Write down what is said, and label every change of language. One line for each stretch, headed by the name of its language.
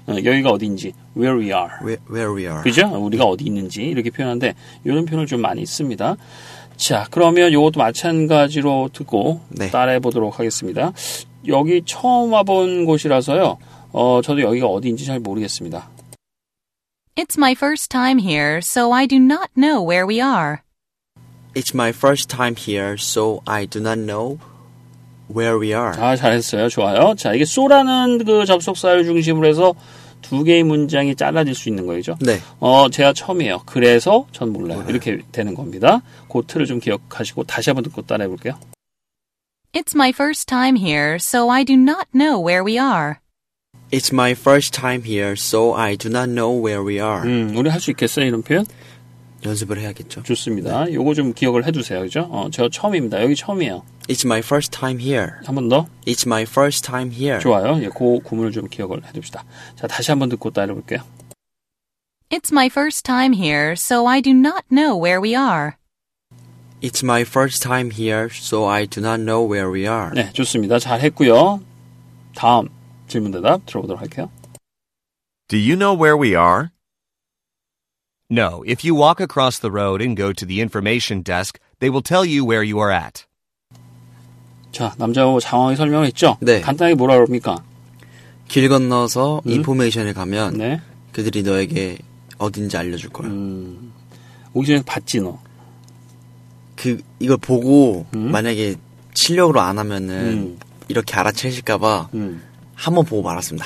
Korean: 여기가 어딘지.
English: Where we are. Where we are.
Korean: 그죠? 우리가 어디 있는지 이렇게 표현하는데 이런 표현을 좀 많이 씁니다. 자, 그러면 이것도 마찬가지로 듣고 네. 따라해보도록 하겠습니다. 여기 처음 와본 곳이라서요. 저도 여기가 어디인지 잘 모르겠습니다.
English: It's my first time here, so I do not know where we are. It's my first time here, so I do not know where we are.
Korean: 아, 잘했어요. 좋아요. 자, 이게 so라는 그 접속사를 중심으로 해서 두 개의 문장이 잘라질 수 있는 거죠. 네. 제가 처음이에요. 그래서 전 몰라요. 네. 이렇게 되는 겁니다. 그 틀을 좀 기억하시고 다시 한번 듣고 따라해 볼게요.
English: It's my first time here, so I do not know where we are. It's my first time here, so I do not know where we are.
Korean: 우리 할 수 있겠어요, 이런 표현? 연습을 해야겠죠. 좋습니다. 네. 요거 좀 기억을 해두세요. 그죠? 제가 처음입니다. 여기 처음이에요.
English: It's my first time here.
Korean: 한 번 더.
English: It's my first time here.
Korean: 좋아요. 예, 그 구문을 좀 기억을 해둡시다. 자, 다시 한번 듣고 따라해 볼게요.
English: It's my first time here, so I do not know where we are. It's my first time here, so I do not know where we are.
Korean: 네, 좋습니다. 잘 했고요. 다음 질문 대답 들어보도록 할게요.
English: Do you know where we are? No, if you walk across the road and go to the information desk, they will tell you where you are at.
Korean: 자, 남자하고 상황이 설명했죠? 네. 간단하게 뭐라 그럽니까? 길 건너서 인포메이션에 가면 네? 그들이 너에게 어딘지 알려줄 거야. 오기 전에 봤지, 너? 이걸 보고 만약에 실력으로 안 하면은 이렇게 알아채실까 봐 한번 보고 말았습니다.